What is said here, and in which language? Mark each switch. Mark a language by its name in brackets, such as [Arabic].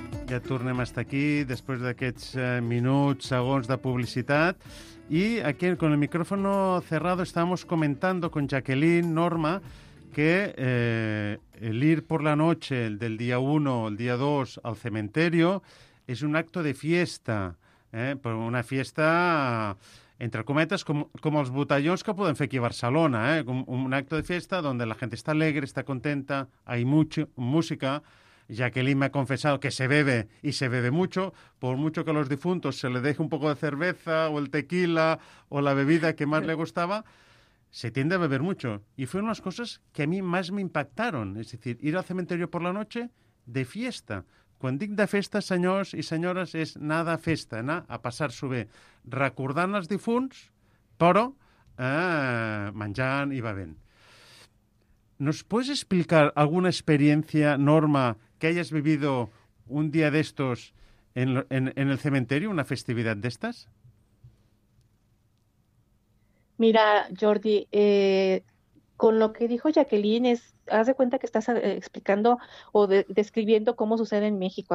[Catalan] Ja tornem a estar aquí després d'aquests minuts, segons de publicitat. [Spanish] I aquí, con el micrófono cerrado, estábamos comentando con Jacqueline, Norma, que el ir por la noche del día 1, el día 2, al cementerio, es un acto de fiesta, por una fiesta, entre cometas, [Catalan] com els botellons que poden fer aquí a Barcelona, [Spanish] un acto de fiesta donde la gente está alegre, está contenta, hay mucha música. Jacqueline me ha confesado que se bebe y se bebe mucho, por mucho que a los difuntos se le deje un poco de cerveza o el tequila o la bebida que más le gustaba, se tiende a beber mucho. Y fueron las cosas que a mí más me impactaron, es decir, ir al cementerio por la noche de fiesta. [Catalan] Quan dic de festa, senyors i senyores, és anar de festa, anar a passar-s'ho bé, recordant els difunts, però menjant i bevent. [Spanish] ¿Nos puedes explicar alguna experiencia, Norma, que hayas vivido un día de estos en el cementerio, una festividad de estas? Mira, Jordi, con lo que dijo Jacqueline, haz de cuenta que estás explicando o describiendo cómo sucede en México.